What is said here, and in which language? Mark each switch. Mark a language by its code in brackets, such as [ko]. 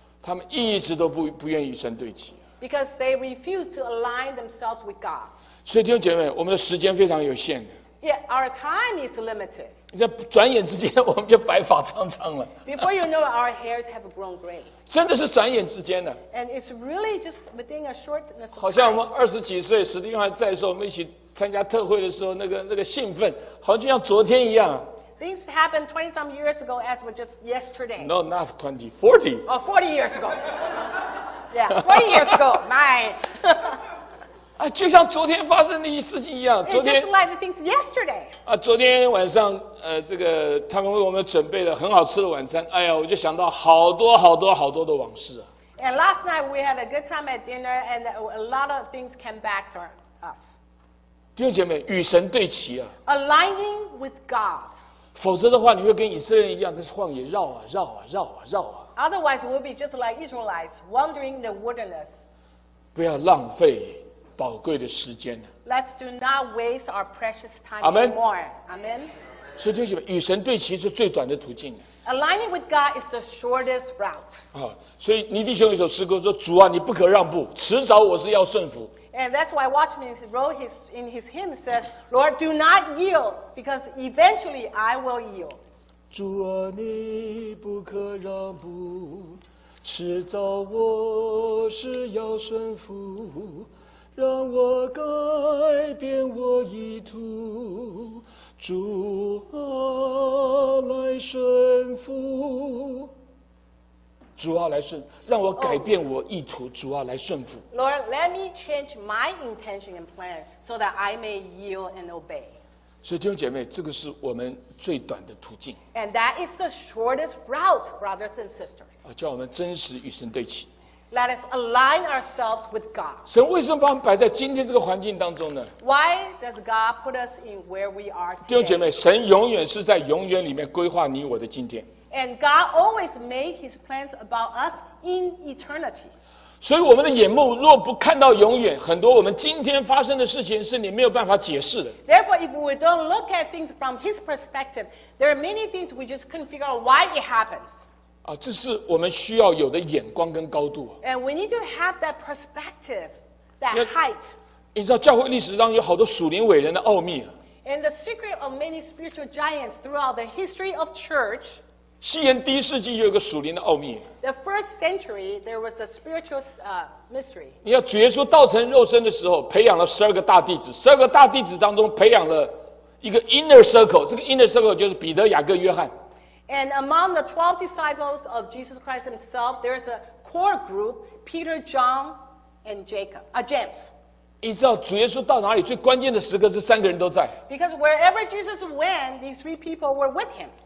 [zh] 他们一直都不愿意与神对齐。 [en] Because they refuse to align themselves with God. [zh] 所以弟兄姐妹，我们的时间非常有限。 [en] Yeah, our time is limited. [zh] 你在转眼之间，我们就白发苍苍了。 [en] Before you know, our hairs have grown gray. [zh] 真的是转眼之间的。 [en] And it's really just within a shortness. [zh] 好像我们二十几岁，史蒂芬还在的时候，我们一起参加特会的时候，那个兴奋，好像就像昨天一样。 [en] Things happened 20 some years ago, as was just yesterday. No, not 20, 40. Oh, 40 years ago. Yeah, 40 years ago, my. [zh] 啊，就像昨天发生的一事情一样，昨天。 [en] Just like the things yesterday. [zh] 啊，昨天晚上，这个他们为我们准备了很好吃的晚餐。哎呀，我就想到好多好多好多的往事啊。 [en] And last night we had a good time at dinner, and a lot of things came back to us. [zh] 弟兄姐妹，与神对齐啊。 [en] Aligning with God. [zh] 否则的话，你会跟以色列人一样，在旷野绕啊绕啊绕啊绕啊。 [en] Otherwise, we'll be just like Israelites, wandering in the wilderness. [zh] 不要浪费。宝贵的时间呢 [en] ？Let's do not waste our precious time anymore. Amen. [zh] 所以弟兄姐妹，与神对齐是最短的途径。 [en] Aligning with God is the shortest route. [zh] 啊，所以尼弟兄有首诗歌说：“主啊，你不可让步，迟早我是要顺服。” [en] And that's why Watchman wrote in his hymn says, "Lord, do not yield, because eventually I will yield." [zh] 主啊，你不可让步，迟早我是要顺服。让我改变我意图，主啊来顺服，主啊来顺，让我改变我意图， oh. 主啊来顺服。 [en] Lord, let me change my intention and plan so that I may yield and obey. [zh] 所以弟兄姐妹，这个是我们最短的途径。 [en] And that is the shortest route, brothers and sisters. [zh] 啊，叫我们真实与神对齐。 [en] Let us align ourselves with God. [zh] 神为什么把我们摆在今天这个环境当中呢？ [en] Why does God put us in where we are today? [zh] 弟兄姐妹，神永远是在永远里面规划你我的今天。 [en] And God always made his plans about us in eternity. [zh] 所以我们的眼目若不看到永远，很多我们今天发生的事情是你没有办法解释的。 [en] Therefore, if we don't look at things from his perspective, there are many things we just couldn't figure out why it happens. [zh] 啊，这是我们需要有的眼光跟高度。 [en] And we need to have that perspective, that height. [zh] 你知道教会历史上有好多属灵伟人的奥秘。 [en] And the secret of many spiritual giants throughout the history of church. [zh] 西元第一世纪有一个属灵的奥秘。 [en] The first century, there was a spiritual mystery. [zh] 你要主耶稣道成肉身的时候，培养了十二个大弟子，十二个大弟子当中培养了一个 inner circle， 这个 inner circle 就是彼得、雅各、约翰。 [en] And among the 12 disciples of Jesus Christ himself, there is a core group, Peter, John, and James. [zh] 你知道主耶稣到哪里最关键的时刻这三个人都在。 Because wherever Jesus went, these three people were with him.